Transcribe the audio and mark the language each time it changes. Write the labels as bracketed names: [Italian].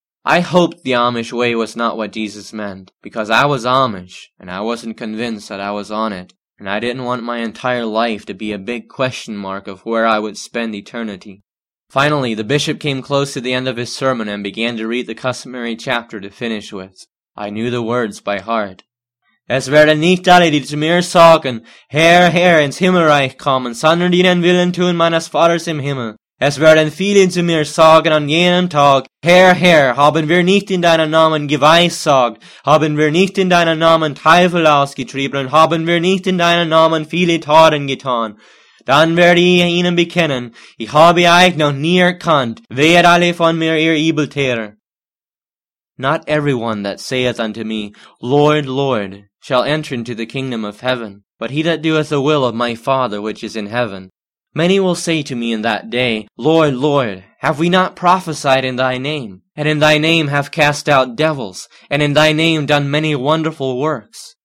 [English] I hoped the Amish way was not what Jesus meant, because I was Amish, and I wasn't convinced that I was on it, and I didn't want my entire life to be a big question mark of where I would spend eternity. Finally, the bishop came close to the end of his sermon and began to read the customary chapter to finish with. I knew the words by heart. [German] Es werde nicht alle, die zu mir sagen, Herr, Herr, ins Himmelreich kommen, sondern die den Willen tun meines Vaters im Himmel. Es werden viele zu mir sagen an jenem Tag, Herr, Herr, haben wir nicht in deinem Namen geweissagt, haben wir nicht in deinem Namen Teufel ausgetrieben, und haben wir nicht in deinem Namen viele Taten getan. Dann werde ich ihnen bekennen, ich habe euch noch nie erkannt, wehet alle von mir ihr Übeltäter. [English] Not everyone that saith unto me, Lord, Lord, shall enter into the kingdom of heaven, but he that doeth the will of my Father which is in heaven. Many will say to me in that day, Lord, Lord, have we not prophesied in thy name, and in thy name have cast out devils, and in thy name done many wonderful works?